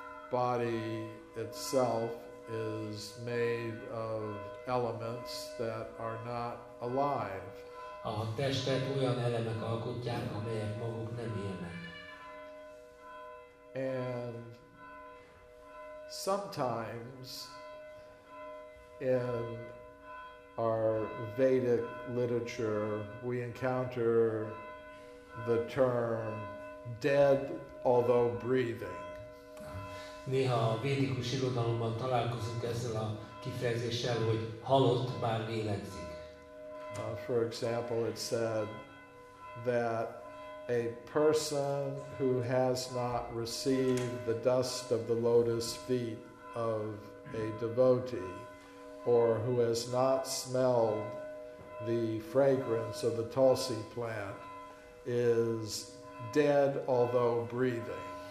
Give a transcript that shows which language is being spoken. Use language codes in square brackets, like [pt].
[en] Body itself is made of elements that are not alive. [hu] A testet olyan elemek alkotják, amelyek maguk nem élnek. [en] And sometimes in our Vedic literature we encounter the term dead although breathing. [hu] Néha a védikus irodalomban találkozunk ezzel a kifejezéssel, hogy halott, bár lélegzik. [en] For example, it said that a person who has not received the dust of the lotus feet of a devotee, or who has not smelled the fragrance of the tulsi plant, is dead although breathing.